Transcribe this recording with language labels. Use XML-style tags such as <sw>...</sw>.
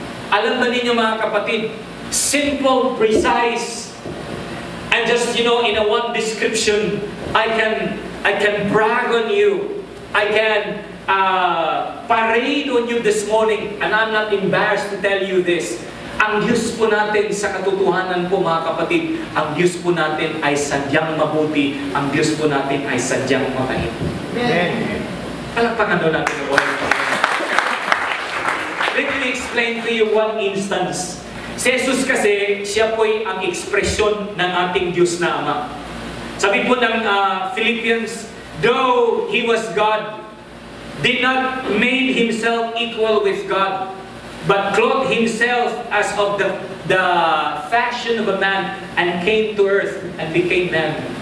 <tl>Alam ba ninyo mga kapatid,</tl> <en>simple, precise, and just, you know, in a one description, I can brag on you. I can parade on you this morning, and I'm not embarrassed to tell you this.</en> <tl>Ang Diyos po natin sa katotohanan po mga kapatid, ang Diyos po natin ay sadyang mabuti, ang Diyos po natin ay sadyang mabait.</tl> <en>Amen.</en> <tl>Palakpakan doon ang pinag-uwan.</tl> <en>Let me explain to you one instance.</en> <tl>Si Jesus kasi, siya po'y ang ekspresyon ng ating Diyos na Ama. Sabi po ng</tl> <en>Philippians, though He was God, did not made Himself equal with God, but clothed Himself as of the fashion of a man and came to earth and became man.</en>